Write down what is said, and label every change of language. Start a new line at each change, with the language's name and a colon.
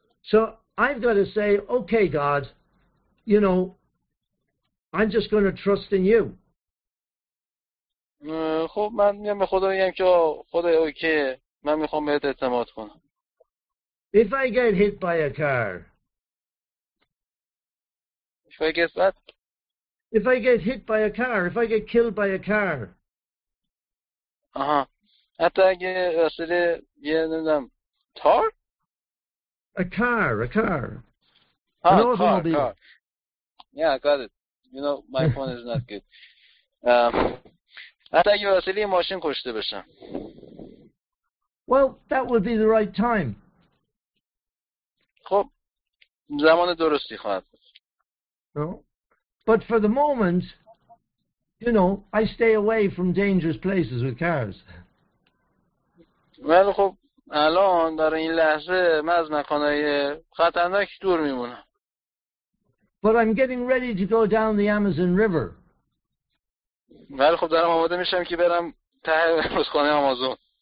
English: So I've got to say, okay, God, you know, I'm just going to trust in you.
Persian: خب من میام به خدا میگم که خدای اوکی من میخوام بهت اعتماد کنم.
English: If I get hit by a car. If I get what? If I get hit by a car, if I get killed by a car. Uh-huh.
Persian: حتی اگه وسیله یه نمیدونم تار؟
English: A car. Ah, an automobile. Car. Yeah, I got it. You know, my phone is not good.
Persian: حتی اگه وسیله یه ماشین کشته بشم.
English: Well, that would be the right time.
Persian: خب زمان درستی خواهد بود.
English: No. But for the moment, you know, I stay away from dangerous places with cars.
Persian: ولی خب الان در این لحظه من از مکانهای خطرناک دور میمونم.
English: But I'm getting ready to go down the Amazon River.
Persian: ولی خب دارم آماده میشم که برم ته رودخانه آمازون.